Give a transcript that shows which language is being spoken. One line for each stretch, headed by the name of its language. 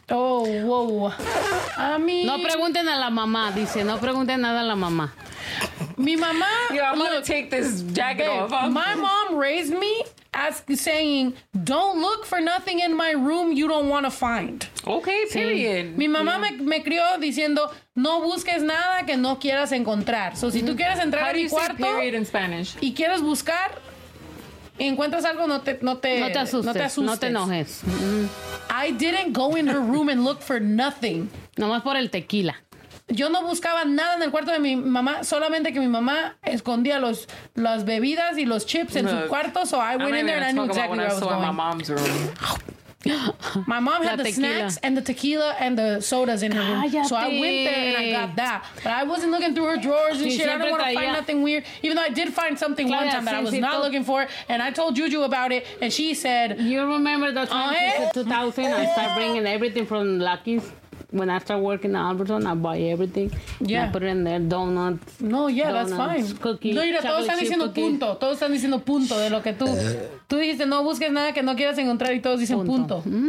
English: Oh, whoa. I mean.
Spanish: No pregunten a la mamá, dice. No pregunten nada a la mamá. Mi mamá.
English: Yo, I'm going to take this jacket off. My mom raised me saying, don't look for nothing in my room you don't want to find. Okay, period.
Spanish: Sí. Mi mamá me crió diciendo, no busques nada que no quieras encontrar. So, si tú quieres entrar
English: How
Spanish: a mi cuarto.
English: How do you say period in Spanish?
Spanish: Y quieres buscar. Encuentras algo, no te asustes. No te enojes.
English: I didn't go in her room and look for nothing.
Spanish: Nomás por el tequila. Yo no buscaba nada en el cuarto de mi mamá, solamente que mi mamá escondía las bebidas y los chips en su cuarto.
English: So I went in there and I knew exactly where I was going. My mom's room. My mom had the snacks and the tequila and the sodas in her room.
Spanish: Cállate.
English: So I went there and I got that. But I wasn't looking through her drawers and shit. I didn't want to find nothing weird. Even though I did find something one time that I was not looking for. And I told Juju about it. And she said... You remember that time in 2000, I started bringing everything from Lucky's. When I start working at Albertson, I buy everything. Yeah. I put it in there. Donuts. No, yeah, donuts, that's fine. Cookies.
Spanish: No, mira, todos están diciendo
English: cookies.
Spanish: Punto. Todos están diciendo punto de lo que tú... Tú dijiste, no busques nada que no quieras encontrar y todos dicen punto.